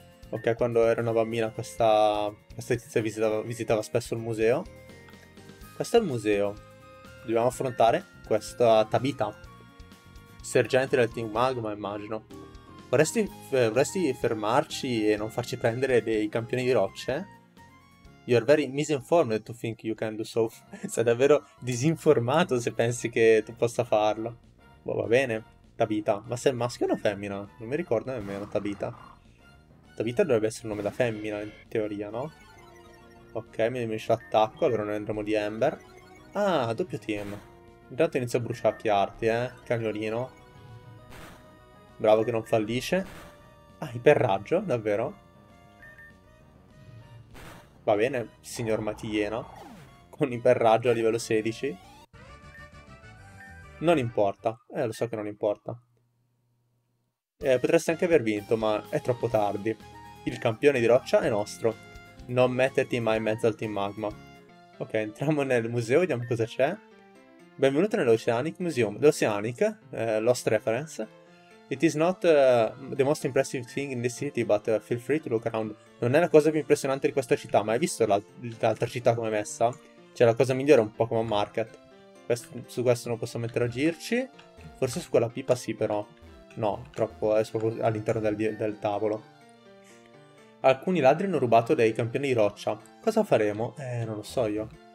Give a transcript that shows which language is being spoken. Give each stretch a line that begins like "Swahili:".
Italian: Ok, quando ero una bambina questa tizia visitava spesso il museo. Questo è il museo. Dobbiamo affrontare questa Tabita. Sergente del Team Magma, immagino. Vorresti fermarci e non farci prendere dei campioni di rocce?
English: You're very misinformed to think you can do so.
Italian: Sei davvero disinformato se pensi che tu possa farlo. Boh, va bene, Tabita. Ma sei maschio o una femmina? Non mi ricordo nemmeno Tabita. Tabita dovrebbe essere un nome da femmina, in teoria, no? Ok, mi diminuisce l'attacco, allora noi andremo di Ember. Ah, doppio team. Intanto inizio a bruciacchiarti, cagnolino. Bravo che non fallisce. Ah, iperraggio, davvero? Va bene, signor Matiena, con iperraggio a livello 16. Non importa, lo so che non importa. Potresti anche aver vinto, ma è troppo tardi. Il campione di roccia è nostro. Non metterti mai in mezzo al Team Magma. Ok, entriamo nel museo, vediamo cosa c'è. Benvenuto nell'Oceanic Museum. L'Oceanic, Lost Reference.
English: It is not the most impressive thing in this city, but feel free to look around.
Italian: Non è la cosa più impressionante di questa città, ma hai visto l'altra città come è messa? Cioè, la cosa migliore è un Pokémon Market. Su questo non possiamo interagirci. Forse su quella pipa sì, però. No, troppo, è proprio all'interno del tavolo. Alcuni ladri hanno rubato dei campioni di roccia. Cosa faremo? Non lo so io.